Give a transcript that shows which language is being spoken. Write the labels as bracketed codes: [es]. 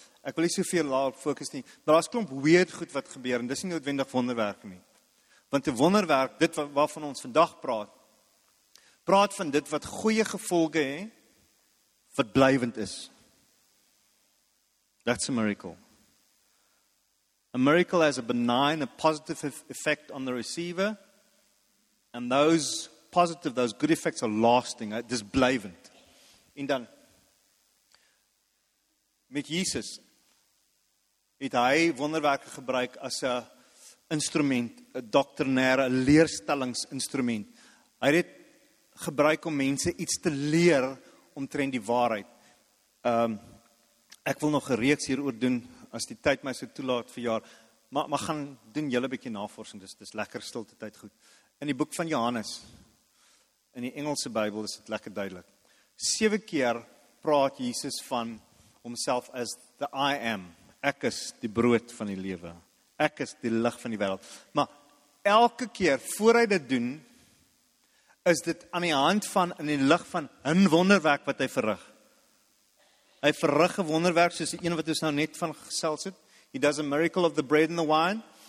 [af] Ek wil nie soveel daarop fokus nie, maar daar's klomp weird goed wat gebeur en dis nie noodwendig wonderwerk nie. Want 'n wonderwerk, dit waarvan ons vandag praat van dit wat goeie gevolge hê wat blywend is. [en] That's a miracle. A miracle has a benign, a positive effect on the receiver, and those good effects are lasting, [af] dis blywend. En dan met Jesus het hy wonderwerke gebruik as 'n instrument, 'n doktrinaire, 'n leerstellingsinstrument. Hy het gebruik om mense iets te leer omtrent die waarheid. Ek wil nog 'n reeks hieroor doen, as die tyd my so toelaat vir jaar, maar gaan doen julle 'n bietjie navorsing, dis lekker stilte tyd goed. In die boek van Johannes, in die Engelse Bybel, is dit lekker duidelik. 7 keer praat Jesus van homself as [en] the I am. [af] Ek is die brood van die lewe. Ek is die lig van die wêreld. Maar elke keer, voor hy dit doen, is dit aan die hand van, in die lig van, 'n wonderwerk wat hy verrig. Hy verrig 'n wonderwerk, soos die een wat ons nou net van gesels het. [en] He does a miracle of the bread and the wine.